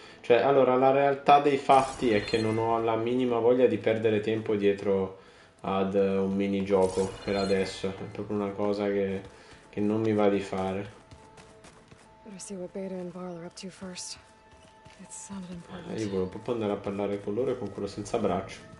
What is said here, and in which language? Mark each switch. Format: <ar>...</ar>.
<it>Cioè, allora, la realtà dei fatti è che non ho la minima voglia di perdere tempo dietro ad un minigioco per adesso. È proprio una cosa che non mi va di fare.</it> <en>Let's see what Beta and Varl are up to first. It's something important.</en> <it>Io volevo proprio andare a parlare con loro e con quello senza braccio.</it>